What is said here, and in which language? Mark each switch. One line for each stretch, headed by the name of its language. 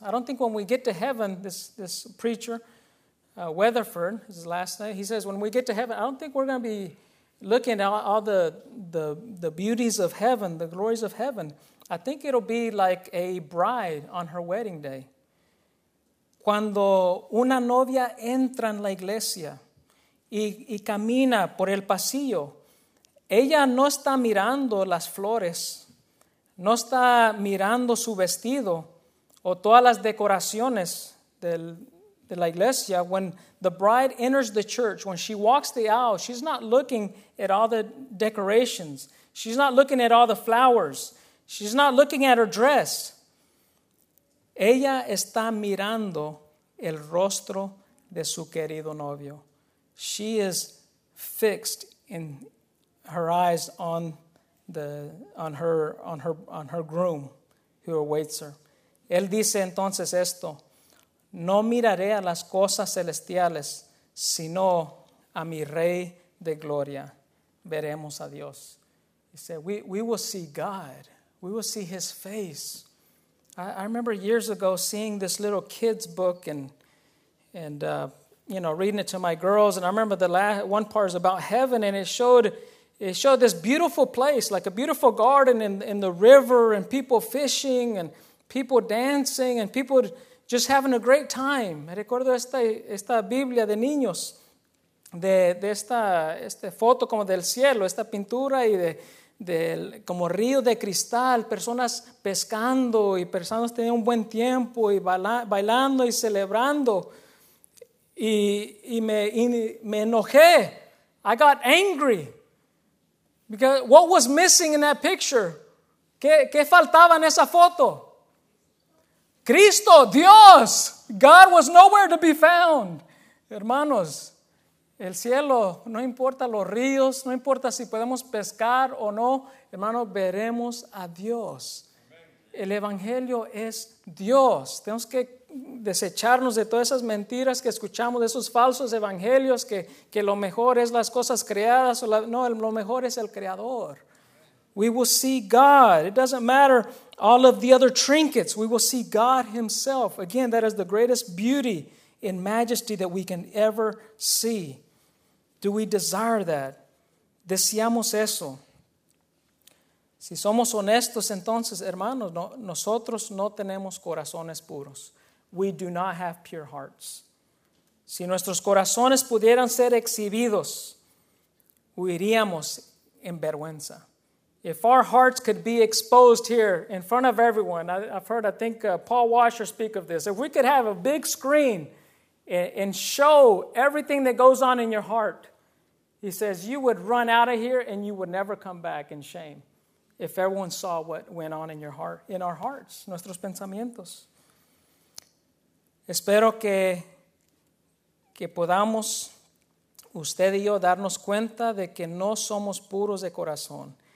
English: I don't think when we get to heaven, this preacher, Weatherford, his last name, he says, when we get to heaven, I don't think we're going to be looking at all the beauties of heaven, the glories of heaven, I think it'll be like a bride on her wedding day.
Spanish: Cuando una novia entra en la iglesia y camina por el pasillo, ella no está mirando las flores, no está mirando su vestido o todas las decoraciones de la iglesia.
English: When the bride enters the church, when she walks the aisle, she's not looking at all the decorations. She's not looking at all the flowers. She's not looking at her dress.
Spanish: Ella está mirando el rostro de su querido novio.
English: She is fixed in her eyes on her groom who awaits her.
Spanish: Él dice entonces esto: no miraré a las cosas celestiales, sino a mi Rey de gloria. Veremos a Dios.
English: He said, we will see God. We will see his face. I remember years ago seeing this little kid's book and reading it to my girls. And I remember the last one part is about heaven, and it showed this beautiful place, like a beautiful garden in the river, and people fishing and people dancing and people just having a great time.
Spanish: Me recuerdo esta Biblia de niños, de esta foto como del cielo, esta pintura y de como río de cristal, personas pescando y personas teniendo un buen tiempo y bailando y celebrando. Y me enojé.
English: I got angry. Because what was missing in that picture?
Spanish: ¿Qué faltaba en esa foto?
English: Cristo, Dios, God was nowhere to be found.
Spanish: Hermanos, el cielo, no importa los ríos, no importa si podemos pescar o no, hermanos, veremos a Dios. El evangelio es Dios. Tenemos que desecharnos de todas esas mentiras que escuchamos, de esos falsos evangelios que lo mejor es las cosas creadas. No, lo mejor es el Creador.
English: We will see God. It doesn't matter all of the other trinkets. We will see God himself. Again, that is the greatest beauty and majesty that we can ever see. Do we desire that?
Spanish: Deseamos eso. Si somos honestos, entonces, hermanos, no, nosotros no tenemos corazones puros.
English: We do not have pure hearts.
Spanish: Si nuestros corazones pudieran ser exhibidos, huiríamos en vergüenza.
English: If our hearts could be exposed here in front of everyone, I think Paul Washer speak of this. If we could have a big screen and show everything that goes on in your heart, he says, you would run out of here and you would never come back in shame if everyone saw what went on in your heart, in our hearts,
Spanish: nuestros pensamientos. Espero que podamos, usted y yo, darnos cuenta de que no somos puros de corazón.